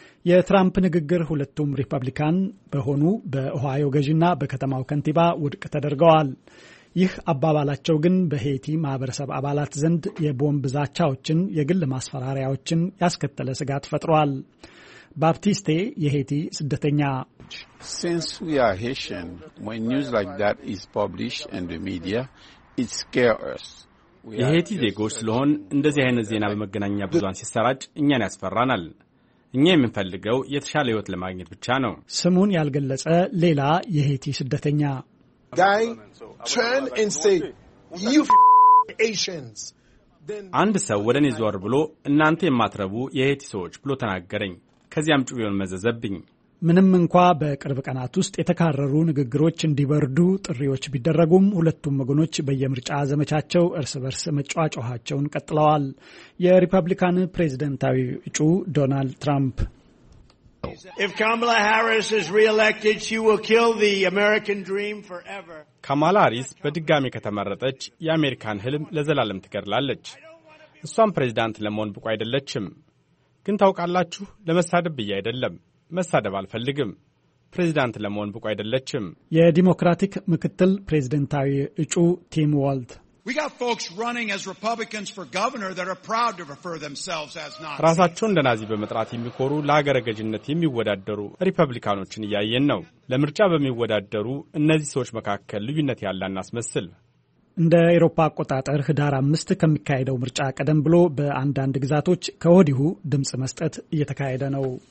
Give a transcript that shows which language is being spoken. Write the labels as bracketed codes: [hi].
[am] የትራምፕ ንግግር ሁለቱም ሪፐብሊካን በሆኑ በኦሃዮ ገዢና በከተማው ከንቲባ ውድቅ ተደርገዋል። ይህ አባባላቸው ግን በሄይቲ ማህበረሰብ አባላት ዘንድ የቦምብ ዛቻዎችን፣ የግል ማስፈራሪያዎችን ያስከተለ ስጋት ፈጥሯል። ባፕቲስቴ የሄይቲ ስደተኛ [en] Since we are Haitian, when news like that is published in the media, it scares us. [am] የሄይቲ ዜጎች ስለሆን እንደዚህ አይነት ዜና በመገናኛ ብዙሃን ሲሰራጭ እኛን ያስፈራናል። እኛ የምንፈልገው የተሻለ ህይወት ለማግኘት ብቻ ነው። ስሙን ያልገለጸ ሌላ የሄይቲ ስደተኛ [en] Guy, turn and say, you Haitians. [am] አንድ ሰው ወደ እኔ ዞር ብሎ እናንተ የማትረቡ የሄይቲ ሰዎች ብሎ ተናገረኝ። ከዚያም ጩቤውን መዘዘብኝ። ምንም እንኳ በቅርብ ቀናት ውስጥ የተካረሩ ንግግሮች እንዲበርዱ ጥሪዎች ቢደረጉም ሁለቱም ወገኖች በየምርጫ ዘመቻቸው እርስ በርስ መጫጫቸውን ቀጥለዋል። የሪፐብሊካን ፕሬዝደንታዊ እጩ ዶናልድ ትራምፕ [en] If Kamala Harris is re-elected, she will kill the American dream forever. [am] ካማላ ሃሪስ በድጋሚ ከተመረጠች የአሜሪካን ህልም ለዘላለም ትገድላለች። እሷም ፕሬዝዳንት ለመሆን ብቁ አይደለችም። ግን ታውቃላችሁ፣ ለመሳደብ ብዬ አይደለም። መሳደብ አልፈልግም። ፕሬዚዳንት ለመሆን ብቁ አይደለችም። የዲሞክራቲክ ምክትል ፕሬዚደንታዊ እጩ ቲም ዋልት [en] We got folks running as Republicans for governor that are proud to refer themselves as Nazis. [am] ራሳቸውን እንደ ናዚ በመጥራት የሚኮሩ ለሀገረ ገዥነት የሚወዳደሩ ሪፐብሊካኖችን እያየን ነው። ለምርጫ በሚወዳደሩ እነዚህ ሰዎች መካከል ልዩነት ያላናስመስል። እንደ አውሮፓ አቆጣጠር ህዳር 5 ከሚካሄደው ምርጫ ቀደም ብሎ በአንዳንድ ግዛቶች ከወዲሁ ድምጽ መስጠት እየተካሄደ ነው።